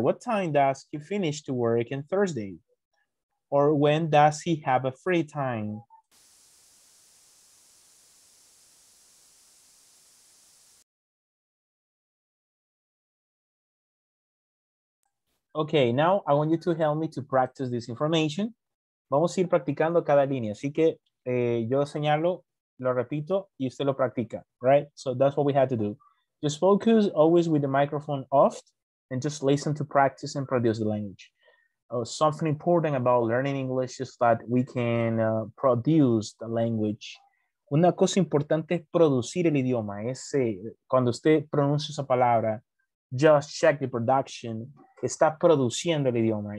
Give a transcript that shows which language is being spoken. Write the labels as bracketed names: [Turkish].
[English] What time does he finish to work on Thursday? Or when does he have a free time? Okay, now I want you to help me to practice this information. [Spanish] Vamos a ir practicando cada línea. Así que yo señalo, lo repito, y usted lo practica, right? [English] So that's what we had to do. Just focus always with the microphone off and just listen to practice and produce the language. Something important about learning English is that we can produce the language. [Spanish] Una cosa importante es producir el idioma. Es cuando usted pronuncia esa palabra, [English] just check the production, [Spanish] está produciendo el idioma.